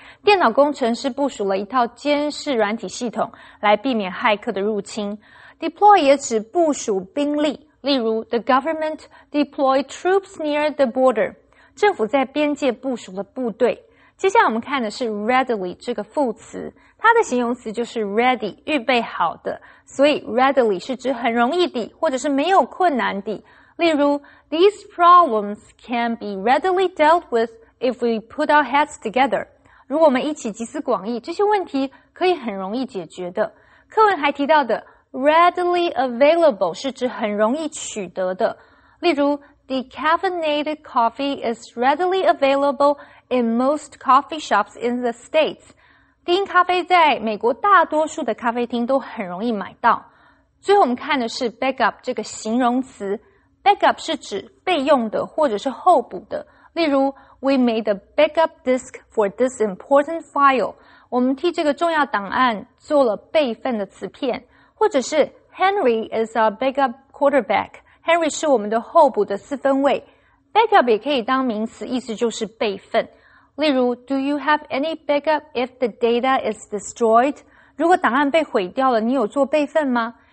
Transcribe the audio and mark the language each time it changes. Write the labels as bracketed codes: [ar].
[zh] 电脑工程师部署了一套监视软体系统来避免骇客的入侵。 [en] Deploy [zh] 也指部署兵力，例如 [en] ,the government deployed troops near the border. [zh] 政府在边界部署了部队。接下来我们看的是 readily 这个副词，它的形容词就是 ready, 预备好的。所以 readily 是指很容易的或者是没有困难的。例如 [en] ,these problems can be readily dealt with if we put our heads together. [zh] 如果我们一起集思广益，这些问题可以很容易解决的。课文还提到的Readily available 是指很容易取得的。例如 [en] ,decaffeinated coffee is readily available in most coffee shops in the States. [zh] 低因咖啡在美国大多数的咖啡厅都很容易买到。最后我们看的是 backup 这个形容词。backup 是指备用的或者是候补的。例如 [en] ,we made a backup disk for this important file. [zh] 我们替这个重要档案做了备份的磁片。或者是 [en] Henry is our backup quarterback. [zh] Henry 是我们的候补的四分卫。 Backup 也可以当名词，意思就是备份。例如 [en] ,Do you have any backup if the data is destroyed? [zh] 如果档案被毁掉了，你有做备份吗？